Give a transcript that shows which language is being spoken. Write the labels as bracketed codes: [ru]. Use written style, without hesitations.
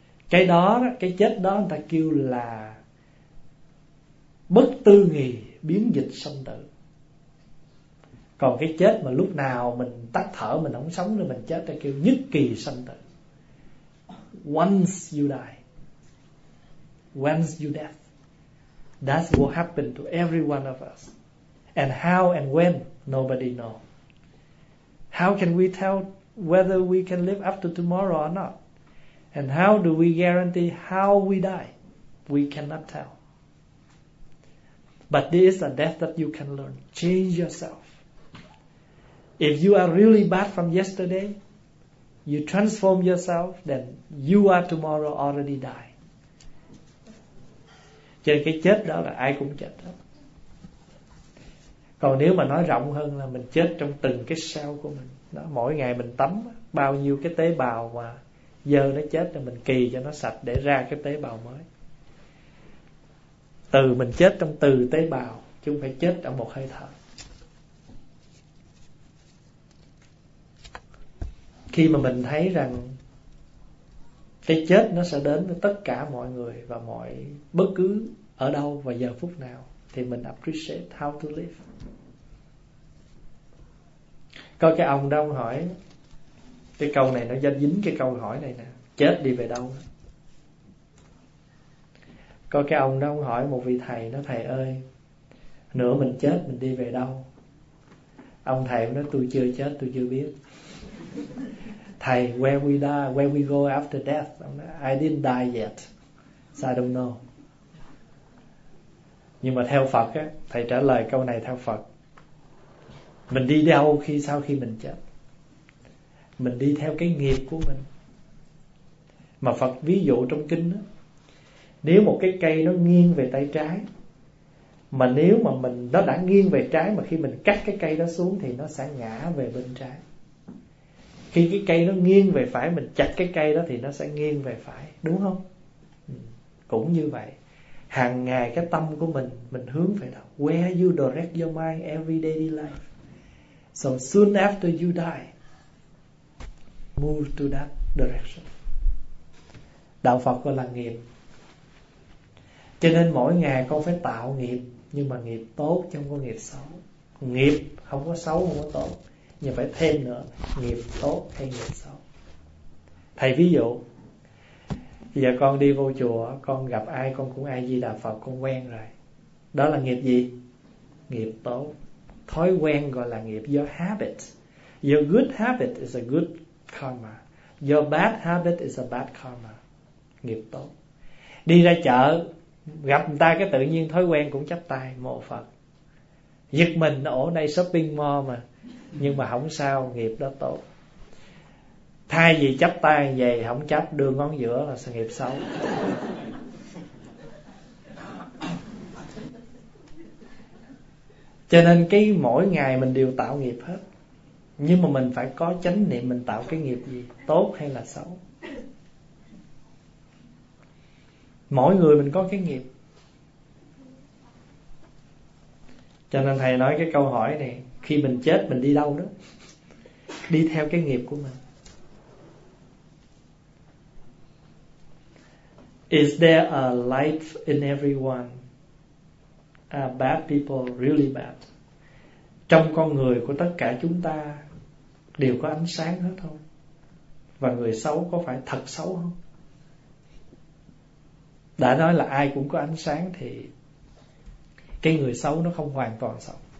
[vi] Cái đó, cái chết đó người ta kêu là bất tư nghì, biến dịch sanh tử. Còn cái chết mà lúc nào mình tắt thở, mình không sống nữa, mình chết, ta kêu nhất kỳ sanh tử. [en] Once you die, once you death, that's what happened to every one of us. And how and when, nobody know. How can we tell whether we can live up to tomorrow or not? And how do we guarantee how we die? We cannot tell. But this is a death that you can learn. Change yourself. If you are really bad from yesterday, you transform yourself, then you are tomorrow already die. [vi] Cho nên cái chết đó là ai cũng chết đó. Còn nếu mà nói rộng hơn là mình chết trong từng cái cell của mình đó, mỗi ngày mình tắm bao nhiêu cái tế bào mà dơ nó chết rồi mình kỳ cho nó sạch để ra cái tế bào mới. Từ mình chết trong từ tế bào chứ không phải chết trong một hơi thở. Khi mà mình thấy rằng cái chết nó sẽ đến với tất cả mọi người và mọi bất cứ ở đâu và giờ phút nào, thì mình [en] appreciate how to live. [vi] Có cái ông đó, ông hỏi cái câu này nó dính cái câu hỏi này nè, chết đi về đâu. Có cái ông đó, ông hỏi một vị thầy, nó thầy ơi, nửa mình chết mình đi về đâu? Ông thầy nói tôi chưa chết, tôi chưa biết. [en] Thầy, where we die, where we go after death? [vi] Ông nói, [en] I didn't die yet, so I don't know. [vi] Nhưng mà theo Phật á, thầy trả lời câu này theo Phật, mình đi đâu khi sau khi mình chết? Mình đi theo cái nghiệp của mình. Mà Phật ví dụ trong kinh á, nếu một cái cây nó nghiêng về tay trái, mà nếu mà mình nó đã nghiêng về trái mà khi mình cắt cái cây đó xuống thì nó sẽ ngã về bên trái. Khi cái cây nó nghiêng về phải, mình chặt cái cây đó thì nó sẽ nghiêng về phải, đúng không? Cũng như vậy, hàng ngày cái tâm của mình hướng về đâu? [en] Where you direct your mind every daily life. So soon after you die, move to that direction. [vi] Đạo Phật gọi là nghiệp. Cho nên mỗi ngày con phải tạo nghiệp, nhưng mà nghiệp tốt chứ không có nghiệp xấu. Nghiệp không có xấu, không có tốt, nhưng phải thêm nữa, nghiệp tốt hay nghiệp xấu. Thầy ví dụ, giờ con đi vô chùa, con gặp ai con cũng A Di Đà Phật, con quen rồi. Đó là nghiệp gì? Nghiệp tốt. Thói quen gọi là nghiệp. [en] Your habit. Your good habit is a good karma. Your bad habit is a bad karma. [vi] Nghiệp tốt. Đi ra chợ, gặp người ta cái tự nhiên thói quen cũng chắp tay mộ Phật. Giật mình, ở đây shopping mall mà. Nhưng mà không sao, nghiệp đó tốt. Thay vì chắp tay về không chắp, đưa ngón giữa là sự nghiệp xấu. Cho nên cái mỗi ngày mình đều tạo nghiệp hết. Nhưng mà mình phải có chánh niệm, mình tạo cái nghiệp gì tốt hay là xấu. Mỗi người mình có cái nghiệp. Cho nên thầy nói cái câu hỏi này, khi mình chết mình đi đâu đó? Đi theo cái nghiệp của mình. [en] Is there a light in everyone? Are bad people really bad? [vi] Trong con người của tất cả chúng ta đều có ánh sáng hết không? Và người xấu có phải thật xấu không? Đã nói là ai cũng có ánh sáng thì cái người xấu nó không hoàn toàn xấu.